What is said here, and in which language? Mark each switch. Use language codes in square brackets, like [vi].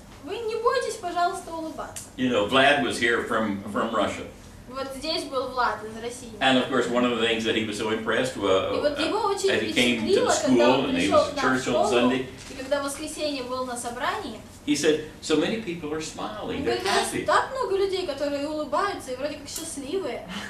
[ru] Вы не бойтесь, пожалуйста, улыбаться. [en] You know, Vlad was here from Russia. [ru] Вот здесь был Влад из России. [en] And of course, one of the things that he was so impressed was that he came to the school and he was at church on Sunday. [ru] И когда в воскресенье был на собрании. [en] He said, so many people are smiling, they're happy. [ru] Так много людей, которые улыбаются и вроде как счастливые.